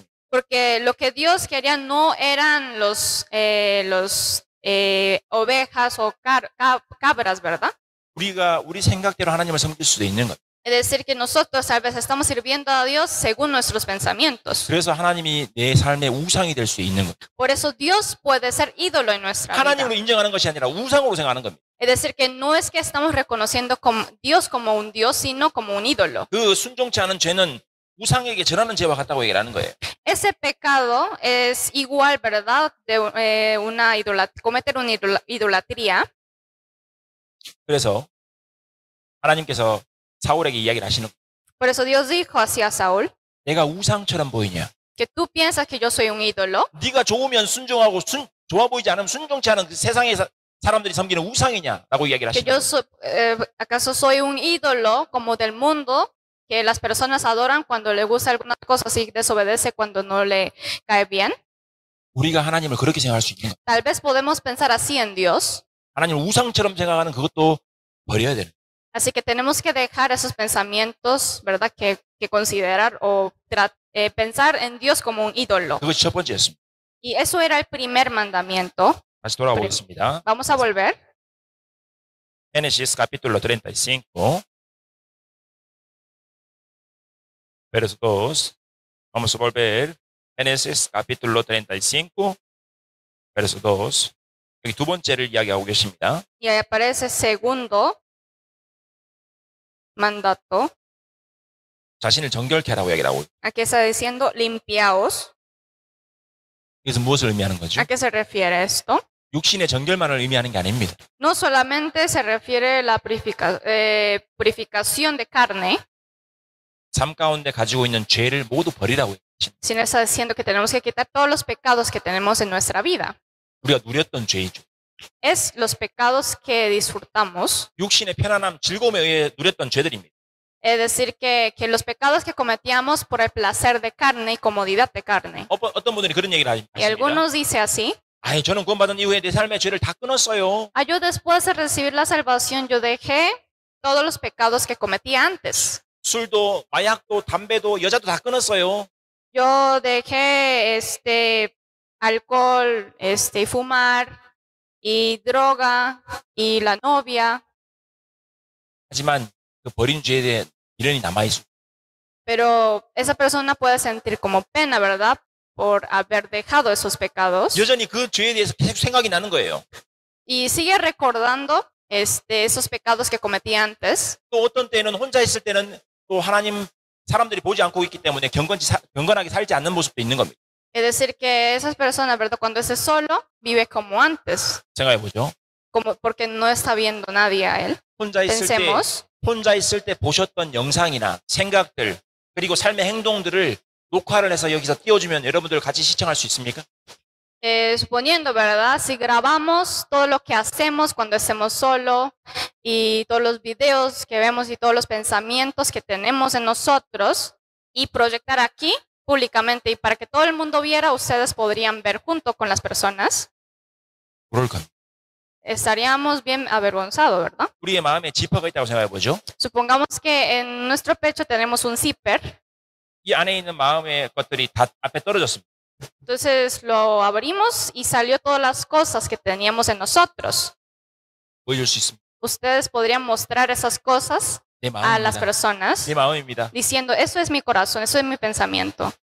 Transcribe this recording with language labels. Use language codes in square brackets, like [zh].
[es] Porque lo que Dios quería no eran los ovejas o cabras, ¿verdad? [ko] 우리 생각대로 하나님을 섬길 수도 있는 것. [es] Es decir, que nosotros tal vez estamos sirviendo a Dios según nuestros pensamientos. [ko] 그래서 하나님이 내 삶의 우상이 될 수 있는 것. [es] Por eso Dios puede ser ídolo en nuestra vida. [ko] 하나님으로 인정하는 것이 아니라 우상으로 생각하는 겁니다. [es] Es decir, que no es que estamos reconociendo como Dios como un Dios, sino como un ídolo. [ko] 그 순종치 않은 죄는 우상에게 절하는 죄와 같다고 얘기를 하는 거예요. [es] Ese pecado es igual, ¿verdad? De una cometer una idolatría. [ko] 그래서 하나님께서 사울에게 이야기를 하시는 [es] Por eso Dios dijo hacia Saul. [ko] 내가 우상처럼 보이냐? [es] Que tú piensas que yo soy un ídolo. [ko] 네가 좋으면 순종하고 좋아 보이지 않으면 순종치 않은 그 세상에 사람들이 섬기는 우상이냐라고 이야기를 하시는 [es] Que yo acaso soy un ídolo como del mundo? Que las personas adoran cuando le gusta alguna cosa, si desobedece cuando no le cae bien. [ko] 우리가 하나님을 그렇게 생각할 수 있는 거예요. [es] Tal vez podemos pensar así en Dios. [ko] 하나님을 우상처럼 생각하는 그것도 버려야 되는. [es] Así que tenemos que dejar esos pensamientos, ¿verdad? Que considerar o pensar en Dios como un ídolo. [ko] 그것이 첫 번째였습니다. [es] Y eso era el primer mandamiento. [ko] 다시 돌아보겠습니다. [es] Vamos a volver. Génesis capítulo 35. Verso 2, vamos a volver, Génesis capítulo 35, verso 2, [ko] 여기 두 번째를 이야기하고 계십니다. [es] Y ahí aparece segundo mandato. [ko] 자신을 정결케 하라고 이야기하고. [es] Aquí está diciendo limpiaos. [ko] 이것은 무엇을 의미하는 거죠? [es] ¿A qué se refiere esto? [ko] 육신의 정결만을 의미하는 게 아닙니다. [es] No solamente se refiere la purificación de carne. [ko] 삶 가운데 가지고 있는 죄를 모두 버리라고 [es] Sino está diciendo que tenemos que quitar todos los pecados que tenemos en nuestra vida. [ko] 우리가 누렸던 죄이죠. [es] Es los pecados que disfrutamos. [ko] 육신의 편안함, 즐거움에 의해 누렸던 죄들입니다. [es] Es decir que los pecados que cometíamos por el placer de carne y comodidad de carne. [ko] 어떤 분들이 그런 얘기를 하십니다. [es] Y algunos dicen así. [ko] 아니, 저는 구원받은 이후에 내 삶의 죄를 다 끊었어요. [es] Yo después de recibir la salvación, yo dejé todos los pecados que cometí antes. [ko] 술도, 마약도, 담배도, 여자도 다 끊었어요. [es] Yo dejé alcohol, fumar, y droga, y la novia. [ko] 하지만 그 버린 죄에 대해 미련이 남아있어. [es] Pero esa persona puede sentir como pena, ¿verdad? Por haber dejado esos pecados. [ko] 여전히 그 죄에 대해서 계속 생각이 나는 거예요. [es] Y sigue recordando esos pecados que cometí antes. [ko] 또 어떤 때는 혼자 있을 때는 또 하나님 사람들이 보지 않고 있기 때문에 경건하게 살지 않는 모습도 있는 겁니다. [es] Es decir que esas personas, ¿verdad? Cuando es solo, vive como antes. [ko] 생각해 보죠. [es] Como porque no está viendo nadie a él. [ko] 혼자 있을 [es] Pensemos. [ko] 때 혼자 있을 때 보셨던 영상이나 생각들 그리고 삶의 행동들을 녹화를 해서 여기서 띄워주면 여러분들 같이 시청할 수 있습니까? [es] Suponiendo, ¿verdad? Si grabamos todo lo que hacemos cuando estemos solo y todos los videos que vemos y todos los pensamientos que tenemos en nosotros y proyectar aquí públicamente y para que todo el mundo viera, ustedes podrían ver junto con las personas. [ko] 그럴까? [es] Estaríamos bien avergonzados, ¿verdad? [ko] 우리의 마음에 지퍼가 있다고 생각해 보죠. [es] Supongamos que en nuestro pecho tenemos un zipper. [ko] 이 안에 있는 마음의 것들이 다 앞에 떨어졌습니다. [es] Entonces lo abrimos y salió todas las cosas que teníamos en nosotros. Ustedes podrían mostrar esas cosas a las personas diciendo, eso es mi corazón, eso es mi pensamiento.